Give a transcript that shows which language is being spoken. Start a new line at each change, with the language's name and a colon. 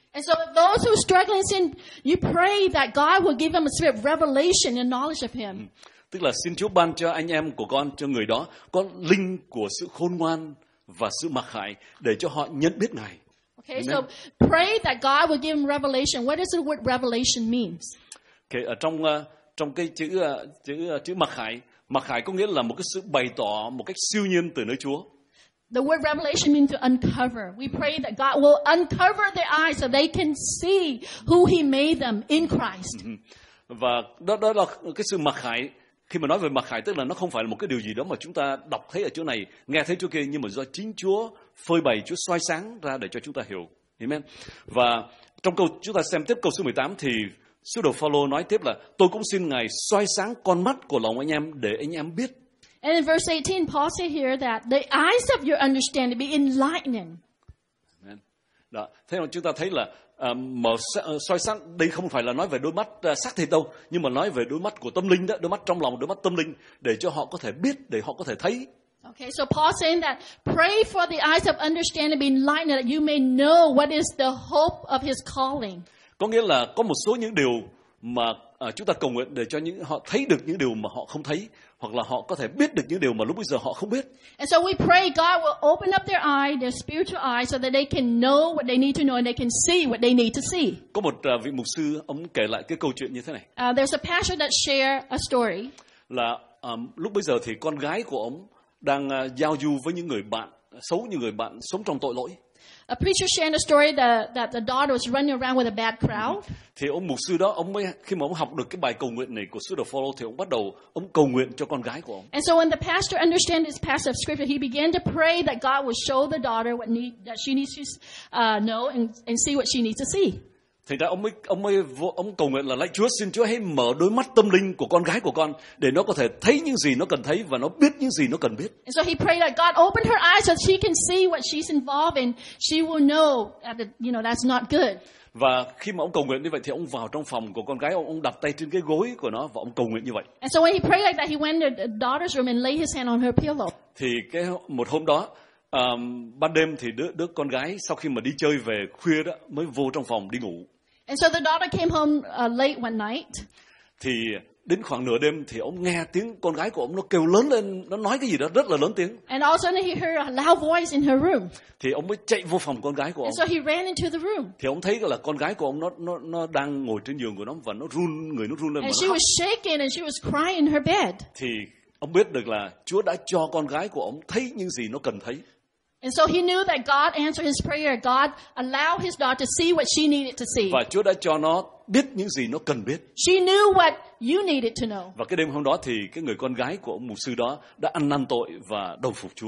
English: And so those who are struggling in sin, you pray that God will give them a spirit of revelation and knowledge of Him.
Vietnamese: Tức là xin Chúa ban cho anh em của con, cho người đó, có linh của sự khôn ngoan và sự mặc khải để cho họ nhận biết Ngài.
English: Okay, Amen. So pray that God will give him revelation. What does the word revelation mean?
Vietnamese: Okay, trong cái chữ mặc khải có nghĩa là một cái sự bày tỏ một cách siêu nhiên từ nơi Chúa.
English: The word revelation means to uncover. We pray that God will uncover their eyes so they can see who He made them in Christ.
Vietnamese: Và đó là cái sự mặc khải. Khi mà nói về mặc khải tức là nó không phải là một cái điều gì đó mà chúng ta đọc thấy ở chỗ này, nghe thấy chỗ kia, nhưng mà do chính Chúa phơi bày, Chúa soi sáng ra để cho chúng ta hiểu. Amen. Và trong câu chúng ta xem tiếp câu số 18 thì sứ đồ Phaolô nói tiếp là tôi cũng xin Ngài soi sáng con mắt của lòng anh em để anh em biết.
English: And in verse 18 Paul said here that the eyes of your understanding be enlightened. Amen.
Vietnamese: Đó, thế nên chúng ta thấy là soi sáng đây không phải là nói về đôi mắt xác thịt đâu, nhưng mà nói về đôi mắt của tâm linh đó, đôi mắt trong lòng, đôi mắt tâm linh để cho họ có thể biết, để họ có thể thấy.
English: Okay, so Paul saying that pray for the eyes of understanding be enlightened that you may know what is the hope of his calling.
Vietnamese: Có nghĩa là có một số những điều mà chúng ta cầu nguyện để cho những họ thấy được những điều mà họ không thấy, hoặc là họ có thể biết được những điều mà lúc bây giờ họ không biết.
English: And so we pray God will open up their eye, their spiritual eye, so that they can know what they need to know and they can see what they need to see.
Vietnamese: Có một vị mục sư ông kể lại cái câu chuyện như thế này.
English: There's a pastor that share a story.
Vietnamese: Là lúc bây giờ thì con gái của ông đang giao du với những người bạn xấu, những người bạn sống trong tội lỗi.
English: A preacher shared a story that the daughter was running around with a bad crowd.
Vietnamese: Thì ông mục sư đó, ông mới khi mà ông học được cái bài cầu nguyện này của sứ đồ Phaolô thì ông bắt đầu ông cầu nguyện cho con gái của ông.
English: And so when the pastor understood this passage of scripture, he began to pray that God would show the daughter that she needs to know and see what she needs to see.
Vietnamese: Thì đó ông cầu nguyện là lạy Chúa, xin Chúa hãy mở đôi mắt tâm linh của con gái của con để nó có thể thấy những gì nó cần thấy và nó biết những gì nó cần biết.
English: And so he prayed that God opened her eyes so she can see what she's involved in. She will know that that's not good.
Vietnamese: Và khi mà ông cầu nguyện như vậy thì ông vào trong phòng của con gái, ông đặt tay trên cái gối của nó và ông cầu nguyện như vậy.
English: And so when he prayed like that, he went to the daughter's room and laid his hand on her pillow.
Vietnamese: Thì cái một hôm đó Ban đêm thì đứa con gái sau khi mà đi chơi về khuya đó mới vô trong phòng đi ngủ.
English: And so the daughter came home late one night.
Vietnamese: Thì đến khoảng nửa đêm thì ông nghe tiếng con gái của ông nó kêu lớn lên, nó nói cái gì đó rất là lớn tiếng.
English: And all of a sudden he heard a loud voice in her room.
Vietnamese: Thì ông mới chạy vô phòng con gái của ông.
English: And so he ran into the room.
Vietnamese: Thì ông thấy là con gái của ông nó đang ngồi trên giường của nó và nó run, người nó run lên.
English: And she was shaking and she was crying in her bed.
Vietnamese: Thì ông biết được là Chúa đã cho con gái của ông thấy những gì nó cần thấy.
English: And so he knew that God answered his prayer. God allowed his daughter to see what she needed to see.
Vietnamese: Và Chúa đã cho nó biết những gì nó cần biết.
English: She knew what you needed to know.
Vietnamese: Và cái đêm hôm đó thì cái người con gái của ông mục sư đó đã ăn năn tội và đầu phục Chúa.